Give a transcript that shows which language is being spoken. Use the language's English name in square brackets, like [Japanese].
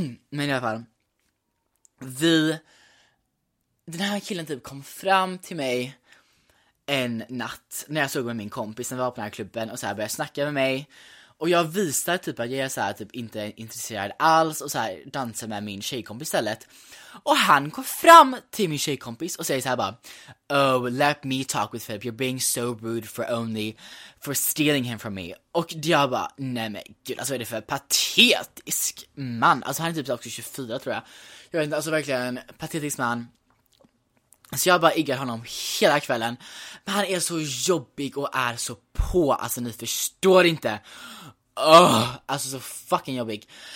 [Swedish] Men i alla fall, den här killen typ kom fram till mig en natt när jag såg med min kompis när vi var på den här klubben och så här började snacka med mig. Och jag visar typ att jag är så här, typ inte intresserad alls och så här, dansar med min tjejkompis istället. Och han går fram till min tjejkompis och säger så här bara: [English] "Oh, let me talk with Philip. You're being so rude for stealing him from me." [Swedish] Och jag bara: "Nej men gud, alltså vad är det för patetisk man?" Alltså han är typ också 24 tror jag. Jag vet inte, alltså verkligen en patetisk man. Så jag bara iggar honom hela kvällen. Men han är så jobbig och är så på. Alltså ni förstår inte. Oh, alltså så fucking jobbig.